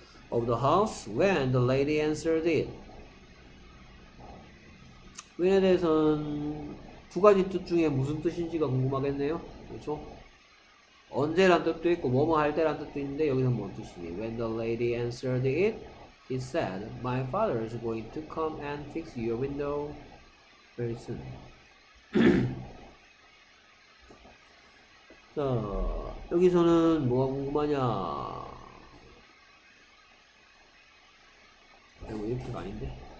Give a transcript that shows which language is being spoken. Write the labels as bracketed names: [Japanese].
[English] 'Of the house when the lady answered it.' [Korean] 왜에 대해서는 두 가지 뜻 중에 무슨 뜻인지가 궁금하겠네요. 그렇죠? 언제란 뜻도 있고 뭐뭐 할 때란 뜻도 있는데 여기서 뭔 뜻이니? [English] When the lady answered it, he said, 'My father is going to come and fix your window very soon.' [Korean] 자, 여기서는 뭐가 궁금하냐? 이거 이렇게가 아닌데?